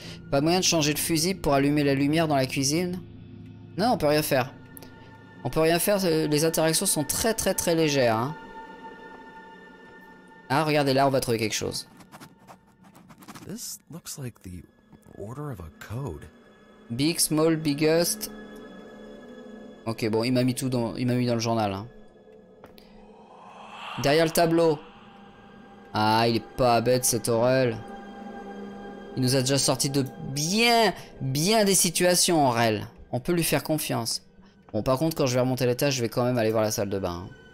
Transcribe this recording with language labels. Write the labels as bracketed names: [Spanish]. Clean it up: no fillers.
[French] Pas moyen de changer de fusible pour allumer la lumière dans la cuisine? Non, on peut rien faire. On peut rien faire. Les interactions sont très très très légères. Hein. Ah, regardez, là, on va trouver quelque chose. [English] This looks like the order of a code. Big, small, biggest. [French] Ok, bon, il m'a mis tout dans, il m'a mis dans le journal. Hein. Derrière le tableau. Ah, il est pas bête cet Aurel. Il nous a déjà sorti de bien, bien des situations, Aurel. On peut lui faire confiance. Bon, par contre, quand je vais remonter l'étage, je vais quand même aller voir la salle de bain.